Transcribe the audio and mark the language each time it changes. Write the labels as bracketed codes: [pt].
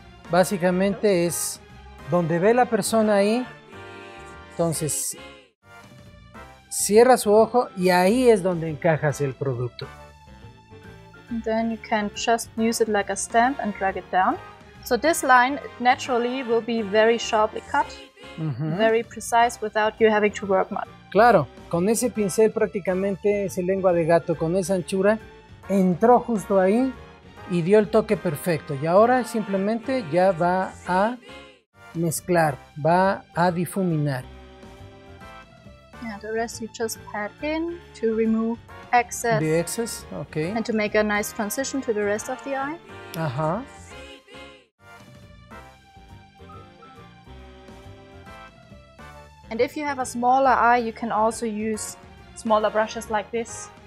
[es] Básicamente es donde ve la persona ahí, entonces cierra su ojo y ahí es donde encajas el producto. [en] Then you can just use it like a stamp and drag it down. So this line naturally will be very sharply cut, very precise without you having to work much. [es] Claro, con ese pincel prácticamente, esa lengua de gato, con esa anchura, entró justo ahí y dio el toque perfecto. Y ahora simplemente ya va a mezclar, va a difuminar. [en] Yeah, the rest you just pat in to remove excess. The excess, okay. And to make a nice transition to the rest of the eye. [es] Ajá. [en] And if you have a smaller eye, you can also use smaller brushes like this.